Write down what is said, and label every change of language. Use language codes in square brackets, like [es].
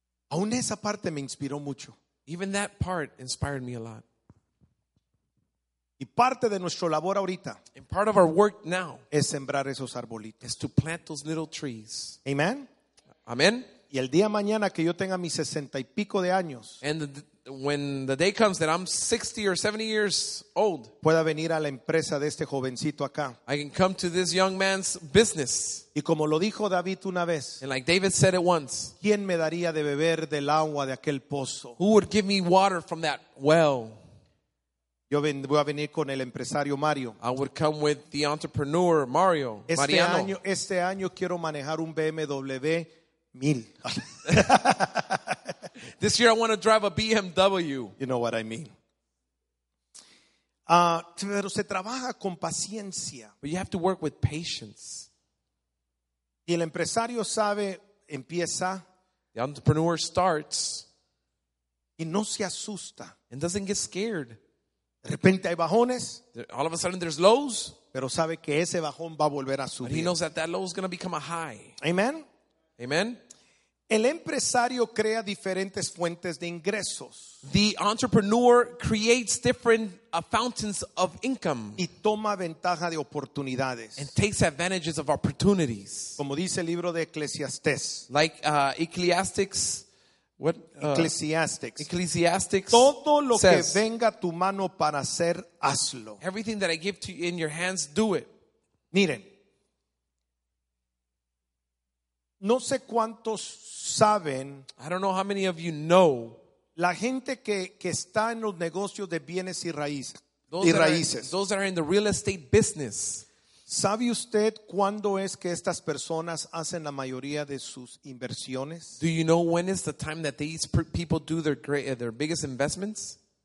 [es] Aún esa parte me inspiró mucho. [en] Even that part inspired me a lot. [es] Y parte de nuestro labor ahorita, [en] and part of our work now, [es] es sembrar esos arbolitos, [en] is to plant those little trees. Amen. Amen. [es] Y el día mañana que yo tenga mis 60 y pico de años, [en] and when the day comes that I'm 60 or 70 years old, [es] pueda venir a la empresa de este jovencito acá, [en] I can come to this young man's business. [es] Y como lo dijo David una vez, [en] and like David said it once, [es] ¿quién me daría de beber del agua de aquel pozo? [en] Who would give me water from that well? [es] Yo voy a venir con el empresario Mario. [en] I would come with the entrepreneur Mario. [es] Este año quiero manejar un BMW 1000. [en] This year I want to drive a BMW. You know what I mean. [es] Pero se trabaja con paciencia. [en] But you have to work with patience. [es] Y el empresario sabe, empieza. [en] The entrepreneur starts. [es] Y no se asusta. [en] And doesn't get scared. [es] De repente hay bajones. [en] All of a sudden there's lows. [es] Pero sabe que ese bajón va a volver a subir. [en] But he knows that that low is going to become a high. Amen. Amen. [es] El empresario crea diferentes fuentes de ingresos. [en] The entrepreneur creates different fountains of income. [es] Y toma ventaja de oportunidades. [en] And takes advantages of opportunities. [es] Como dice el libro de Eclesiastes. [en] Like Ecclesiastics. What, Ecclesiastics. Ecclesiastics. [es] Todo lo [en] says, [es] que venga a tu mano para hacer, hazlo. [en] Everything that I give to you in your hands, do it. [es] Miren. No sé cuántos saben. [en] I don't know how many of you know. [es] La gente que está en los negocios de bienes y raíces. [en] Those that are in the real estate business. [es] ¿Sabe usted cuándo es que estas personas hacen la mayoría de sus inversiones? [en] Do you know when is the time that these people do their biggest investments?